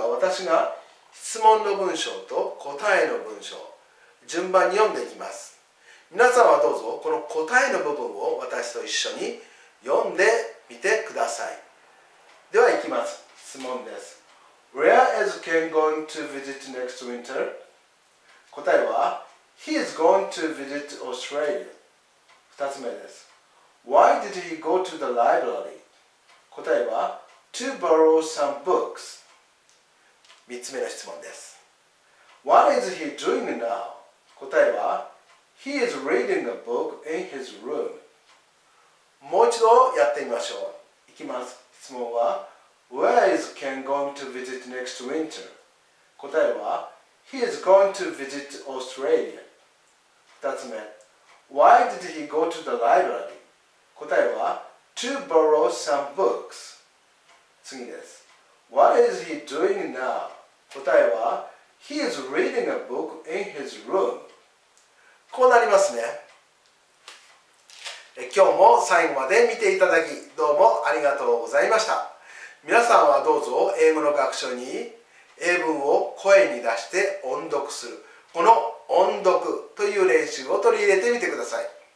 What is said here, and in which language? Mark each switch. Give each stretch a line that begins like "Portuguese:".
Japanese: 私が質問の文章と答えの文章順番に読んでいきます。皆さんはどうぞこの答えの部分を私と一緒に読んでみてください。ではいきます。質問です。
English: Where is Ken going to visit next winter?
Japanese: 答えは
English: He is going to visit Australia。
Japanese: 2つ目です。
English: Why did he go to the library?
Japanese: 答えは
English: To borrow some books。
Japanese: 3つ目の質問です。
English: What is he doing now?
Japanese: 答えは、
English: He is reading a book in his room。
Japanese: もう一度やってみましょう。いきます。質問は、
English: Where is Ken going to visit next winter?
Japanese: 答えは、
English: He is going to visit Australia。
Japanese: 2つ目、
English: Why did he go to the library?
Japanese: 答えは、
English: To borrow some books。
Japanese: 次です。
English: What is he doing now?
Japanese: 答えは、
English: He is reading a book in his room。
Japanese: こうなりますね。今日も最後まで見ていただき、どうもありがとうございました。皆さんはどうぞ英語の学習に、英文を声に出して音読する、この音読という練習を取り入れてみてください。